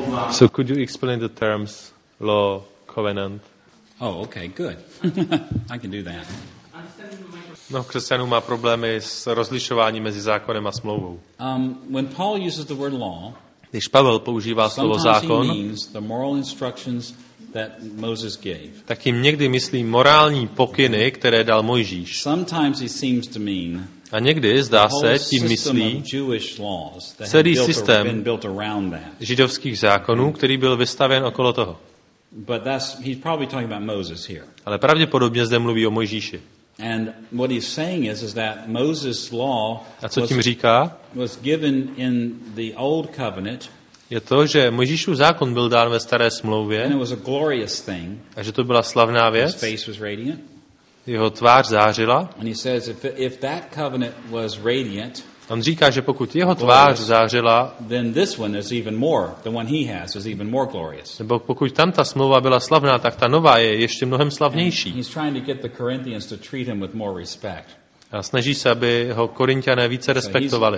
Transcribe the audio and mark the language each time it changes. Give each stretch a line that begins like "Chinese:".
English: So could you explain the terms law, covenant? Oh, okay, good. I can do that.
Czech: No, křesťanů má problémy s rozlišováním mezi zákonem a smlouvou.
English: When Paul uses the word law,
Czech: když Pavel používá slovo zákon,
English: the moral instructions that Moses gave.
Czech: Tak jim někdy myslí morální pokyny, které dal Mojžíš.
English: Sometimes he seems to mean
Czech: a někdy, zdá se, tím myslí celý systém židovských zákonů, který byl vystaven okolo toho.
English: But that's, he's probably talking about Moses here.
Czech: Ale pravděpodobně zde mluví o Mojžíši.
English: And what he's saying is that Moses' law was given in the old covenant.
Czech: Je to, že Mojžíšův zákon byl dán ve staré smlouvě.
English: And it was a glorious thing.
Czech: A že to byla slavná věc.
English: His face was radiant.
Czech: Jeho tvář zářila.
English: And he says if that covenant was radiant.
Czech: On říká, že pokud jeho tvář zářila,
English: then this one is even more. The one he has is even more glorious.
Czech: Nebo pokud tamta smlouva byla slavná, tak ta nová je ještě mnohem slavnější.
English: He's trying to get the Corinthians to treat him with more respect.
Czech: A snaží se, aby ho Korinťané více respektovali.